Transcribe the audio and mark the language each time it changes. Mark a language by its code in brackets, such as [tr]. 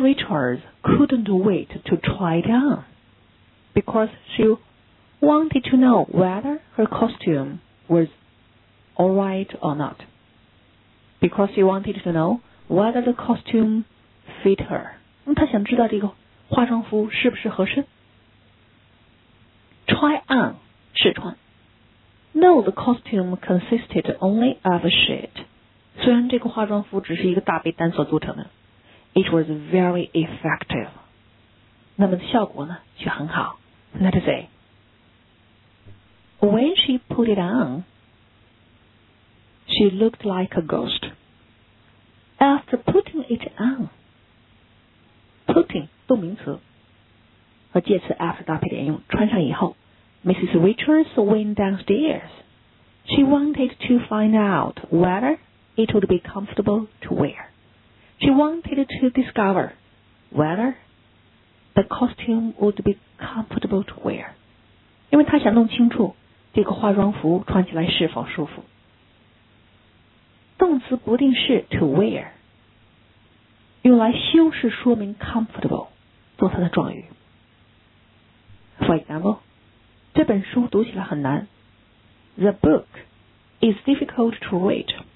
[en] Richards couldn't wait to try it on because she wanted to know whether her costume was all right or not. Because she wanted to know whether the costume fit her. [zh] 她想知道这个化妆服是不是合适。 [en] Try on, 试穿。 No, the costume consisted only of a sheet. [zh] 虽然这个化妆服只是一个大被单所组成的。 [en] It was very effective. [zh] 那么效果呢却很好。 [en] Let's say, when she put it on, she looked like a ghost. After putting it on, putting, [zh] 动名词和介词 after 搭配连用穿上以后 Mrs. [en] Richards went downstairs. She wanted to find out whether it would be comfortable to wear. She wanted to discover whether the costume would be comfortable to wear. [zh] 因为她想弄清楚这个化妆服穿起来是否舒服。动词不定式 to wear 用来修饰说明 comfortable 做她的状语。 [en] For example, [zh] 这本书读起来很难。 [en] The book is difficult to read.